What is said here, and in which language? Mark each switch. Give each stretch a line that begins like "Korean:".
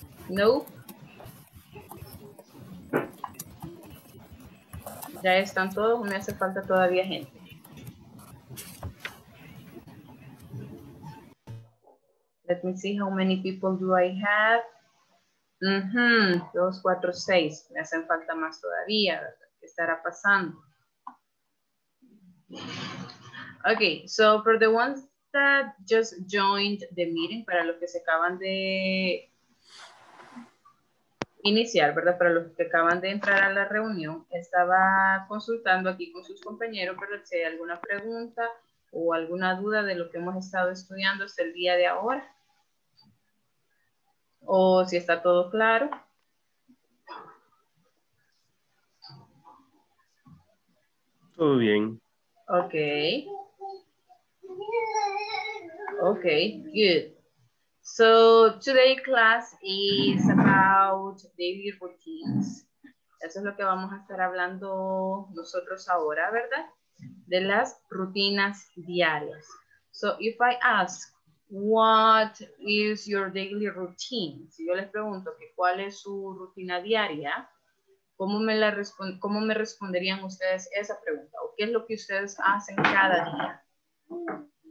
Spanish: No. Ya están todos, me hace falta todavía gente.
English: Let me see how many people do I have.
Spanish: Mm-hmm. 2, 4, 6. Me hacen falta más todavía. ¿Qué estará pasando?
English: Okay, so for the ones that just joined the meeting,
Spanish: para los que se acaban de iniciar, ¿verdad? Para los que acaban de entrar a la reunión, estaba consultando aquí con sus compañeros, ¿verdad? Si hay alguna pregunta o alguna duda de lo que hemos estado estudiando hasta el día de ahora. O si está todo claro. Todo bien. Ok.
English: Ok, good. So, today's class is about daily routines.
Spanish: Eso es lo que vamos a estar hablando nosotros ahora, ¿verdad? De las rutinas diarias.
English: So, if I ask, what is your daily routine?
Spanish: Si yo les pregunto que cuál es su rutina diaria, ¿cómo me responderían ustedes esa pregunta? ¿O qué es lo que ustedes hacen cada día?